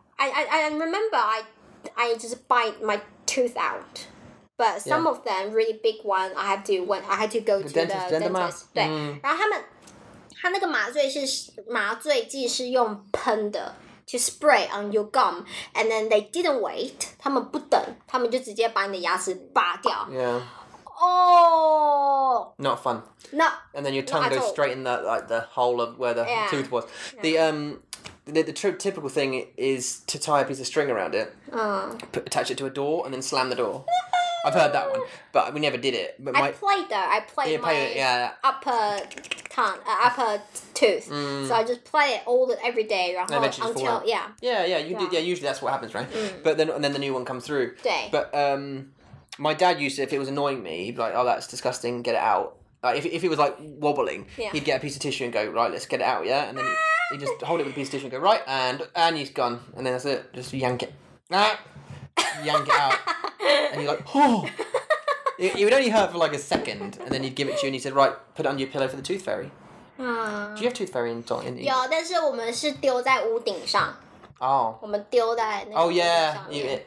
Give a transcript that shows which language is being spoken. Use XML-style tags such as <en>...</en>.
<en>I remember I just bite my tooth out. But some of them, really big one, I had to go to the dentist. To spray on your gum, and then they didn't wait.</en> <zh>他们不等，他们就直接把你的牙齿拔掉.</zh> <en>Yeah. Oh. Not fun. No. And then your tongue goes straight in that like the hole of where the tooth was. Yeah. The typical thing is to tie a piece of string around it, attach it to a door, and then slam the door. I've heard that one, but we never did it. But I played my upper tooth. Mm. So I just play it every day, Yeah, usually that's what happens, right? But then the new one comes through. Day. But my dad used to, if it was annoying me, he'd be like, oh, that's disgusting, get it out. Like, if it was like wobbling, he'd get a piece of tissue and go, right, let's get it out, yeah? And then he'd just hold it with a piece of tissue and go, right, and he's gone. And then that's it, just yank it. Yank it out. And you're like, oh! It would only hurt for like a second, and then he'd give it to you, and he said, right, put it under your pillow for the tooth fairy. Do you have tooth fairy in you?</en> <zh>有,但是我们是丢在屋顶上.</zh> <en>Oh.</en> <zh>我们丢在那个屋顶上面.</zh>